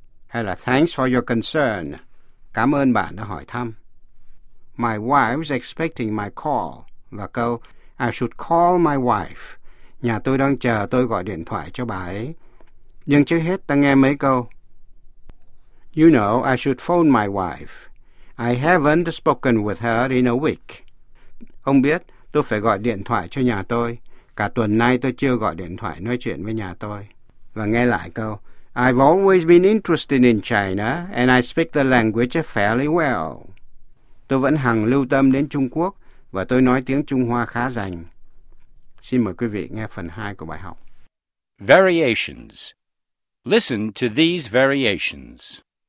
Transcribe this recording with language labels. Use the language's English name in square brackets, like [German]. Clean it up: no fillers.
[Vietnamese] Hay là [English] thanks for your concern. [Vietnamese] Cảm ơn bạn đã hỏi thăm. [English] My wife's expecting my call. [Vietnamese] Và câu [English] I should call my wife. [Vietnamese] Nhà tôi đang chờ tôi gọi điện thoại cho bà ấy. Nhưng trước hết ta nghe mấy câu. [English] You know, I should phone my wife. I haven't spoken with her in a week. [Vietnamese] Ông biết, tôi phải gọi điện thoại cho nhà tôi. Cả tuần nay tôi chưa gọi điện thoại nói chuyện với nhà tôi. Và nghe lại câu. [English] I've always been interested in China and I speak the language fairly well. [Vietnamese] Tôi vẫn hằng lưu tâm đến Trung Quốc và tôi nói tiếng Trung Hoa khá rành. Xin mời quý vị nghe phần 2 của bài học. [English] Variations. Listen to these variations.